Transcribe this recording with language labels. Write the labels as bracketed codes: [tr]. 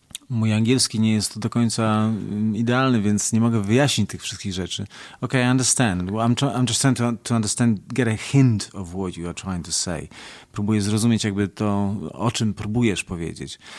[pl] Mój angielski nie jest do końca idealny, więc nie mogę wyjaśnić tych wszystkich rzeczy. [en] Okay, I understand. I'm just trying to understand, get a hint of what you are trying to say. [pl] Próbuję zrozumieć jakby to, o czym próbujesz powiedzieć.